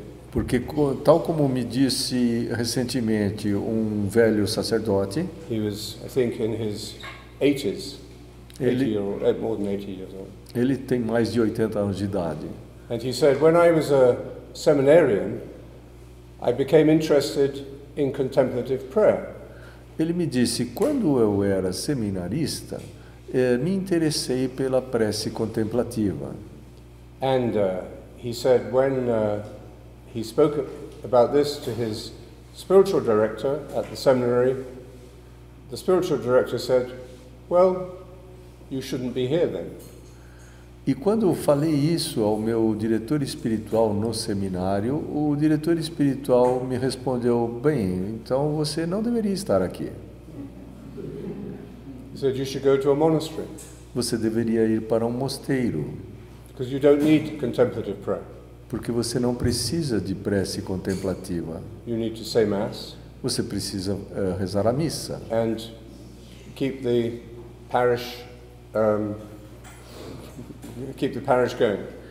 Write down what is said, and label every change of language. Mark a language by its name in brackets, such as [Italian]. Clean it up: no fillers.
[Portuguese] Porque, tal como me disse recentemente um velho sacerdote, ele tem mais de 80 anos de idade. E ele disse: quando eu era um seminário, [English] I became interested in contemplative prayer. [Portuguese] Ele me disse, quando eu era seminarista, me interessei pela prece contemplativa. [English] And he said when he spoke about this to his spiritual director at the seminary, the spiritual director said, well, you shouldn't be here then. [Portuguese] E quando eu falei isso ao meu diretor espiritual no seminário, o diretor espiritual me respondeu, bem, então você não deveria estar aqui. [English] He said you should go to a monastery. [Portuguese] Você deveria ir para um mosteiro. [English] Because you don't need contemplative prayer. [Portuguese] Porque você não precisa de prece contemplativa. [English] You need to say mass. [Portuguese] Você precisa rezar a missa. [English] And keep the parish keep the parish going.